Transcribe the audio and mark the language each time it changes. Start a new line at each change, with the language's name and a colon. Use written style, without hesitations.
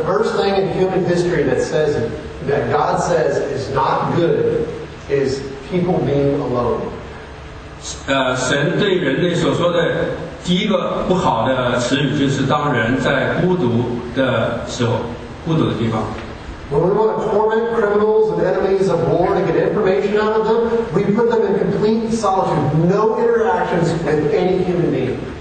English: first thing in human history that says that God says is not good is people being alone.
Chinese: 神对人类所说的第一个不好的词语就是当人在孤独的时候，孤独的地方。
English: When we want to torment criminals and enemies of war to get information out of them, we put them in complete solitude, no interactions with any human being.